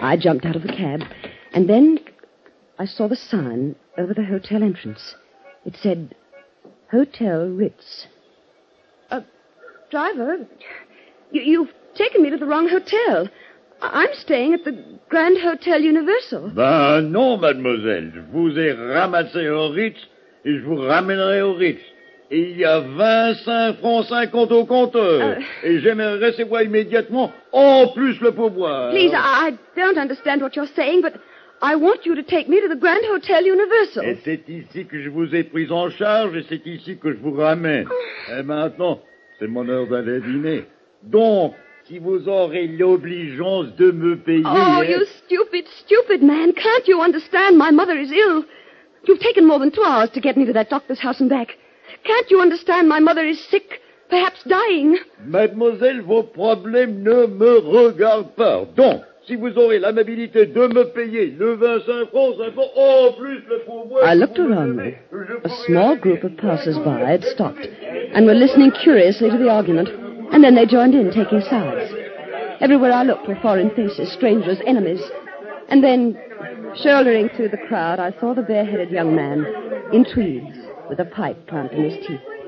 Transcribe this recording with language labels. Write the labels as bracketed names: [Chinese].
[English] I jumped out of the cab, and then I saw the sign over the hotel entrance. It said, Hotel Ritz. Driver, you've taken me to the wrong hotel. I'm staying at the Grand Hotel Universal. [French] Ben non, mademoiselle. Je vous ai ramassé au Ritz et je vous ramènerai au Ritz. Il y a 25 francs 50 au compteur. Et j'aimerais recevoir immédiatement en plus le pourboire. [English] Please, I don't understand what you're saying, but I want you to take me to the Grand Hotel Universal. [French] Et c'est ici que je vous ai pris en charge et c'est ici que je vous ramène. Et maintenant, c'est mon heure d'aller dîner. Donc, si vous aurez l'obligeance de me payer... [English] Oh, you stupid, stupid man. Can't you understand? My mother is ill. You've taken more than 2 hours to get me to that doctor's house and back. Can't you understand? My mother is sick, perhaps dying. [French] Mademoiselle, vos problèmes ne me regardent pas. Donc, si vous aurez l'amabilité de me payer le 25 francs, ça fait en plus le pourboire... [English] I looked around me. A small group of passers-by had stopped and were listening curiously to the argument. And then they joined in, taking sides. Everywhere I looked were foreign faces, strangers, enemies. And then, shouldering through the crowd, I saw the bareheaded young man in tweeds with a pipe clamped in his teeth.